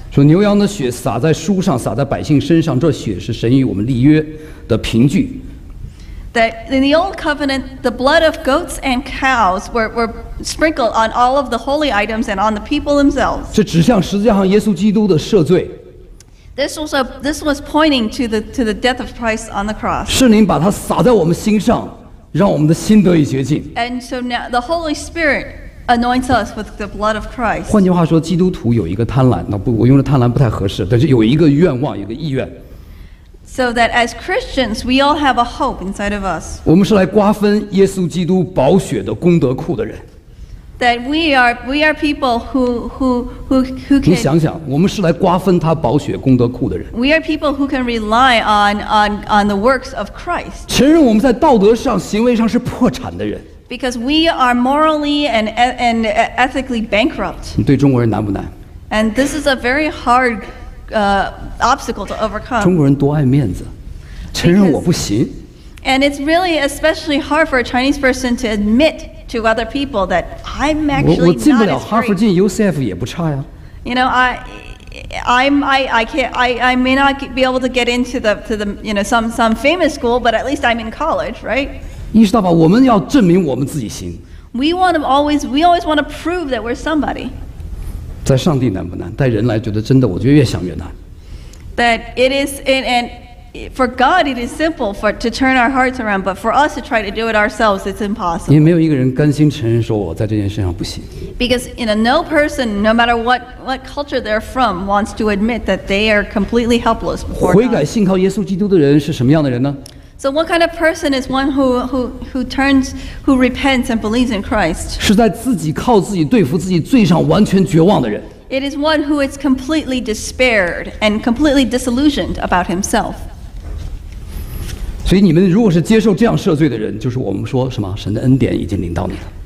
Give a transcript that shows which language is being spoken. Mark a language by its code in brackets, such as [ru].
[zh] 说牛羊的血洒在书上，洒在百姓身上，这血是神与我们立约的凭据。 [en] That in the old covenant, the blood of goats and cows were sprinkled on all of the holy items and on the people themselves. [zh] 这指向十字架上耶稣基督的赦罪。 [en] This was pointing to the death of Christ on the cross. [zh] 圣灵把它洒在我们心上，让我们的心得以洁净。 [en] And so now the Holy Spirit. Anoints us with the blood of Christ. [zh] 换句话说，基督徒有一个贪婪。那不，我用的贪婪不太合适，但是有一个愿望，有一个意愿。 [en] So that as Christians, we all have a hope inside of us. [zh] 我们是来瓜分耶稣基督宝血的功德库的人。 [en] That we are people who can. [zh] 你想想，我们是来瓜分他宝血功德库的人。 [en] We are people who can rely on the works of Christ. [zh] 承认我们在道德上、行为上是破产的人。 [en] Because we are morally and ethically bankrupt. [zh] 对中国人难不难？ [en] And this is a very hard obstacle to overcome. [zh] 中国人多爱面子，承认我不行。 [en] And it's really especially hard for a Chinese person to admit to other people that I'm actually not as great. [zh] 我进不了哈佛进 UCF 也不差呀。 [en] You know, I may not be able to get into the you know some famous school, but at least I'm in college, right? [zh] 意识到吧，我们要证明我们自己行。 [en] We always want to prove that we're somebody. [zh] 在上帝难不难？带人来觉得真的，我觉得越想越难。 [en] That it is and for God it is simple for to turn our hearts around, but for us to try to do it ourselves, it's impossible. [zh] 因为没有一个人甘心承认说我在这件事上不行。 [en] Because you know, no person, no matter what culture they're from, wants to admit that they are completely helpless before God. [zh] 悔改信靠耶稣基督的人是什么样的人呢？ [en] So what kind of person is one who turns, who repents and believes in Christ? [zh] 是在自己靠自己对付自己罪上完全绝望的人。 [en] It is one who is completely despaired and completely disillusioned about himself. [zh] 所以你们如果是接受这样赦罪的人，就是我们说什么，神的恩典已经临到你了。